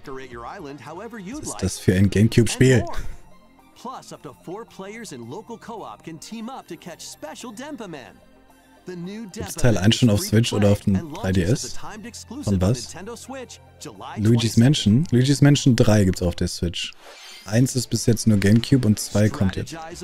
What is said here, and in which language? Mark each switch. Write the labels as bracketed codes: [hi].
[de] Was ist das für ein GameCube-Spiel? [en] Plus up to 4 players in local co-op can team up to catch special Dempa Man. [de] Gibt es Teil 1 schon auf Switch oder auf dem 3DS? Von was? Luigi's Mansion? Luigi's Mansion 3 gibt's auf der Switch. 1 ist bis jetzt nur GameCube und 2 kommt jetzt.